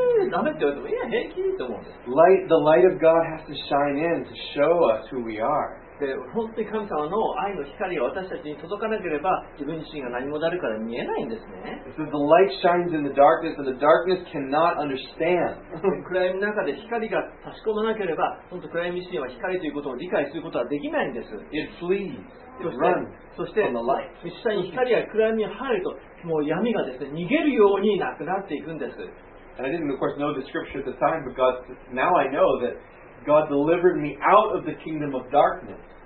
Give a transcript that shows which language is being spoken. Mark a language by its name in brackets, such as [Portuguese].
[Japanese] ダメって言われても、いや、平気って思うんです。 [English] The light of God has to shine in to show us who we are. [Japanese] で、本当に神様の愛の光が私たちに届かなければ、自分自身が何もであるから見えないんですね。 [English] So the light shines in the darkness, and the darkness cannot understand. [Japanese] 暗闇の中で光が差し込まなければ、本当暗闇自身は光ということを理解することはできないんです。 [English] It flees. It runs. [Japanese] そして、実際に光が暗闇に入ると、もう闇がですね、逃げるようになくなっていくんです。 [English] And I didn't, of course, know the scripture at the time, but God, now I know that. God delivered me out of the kingdom of darkness.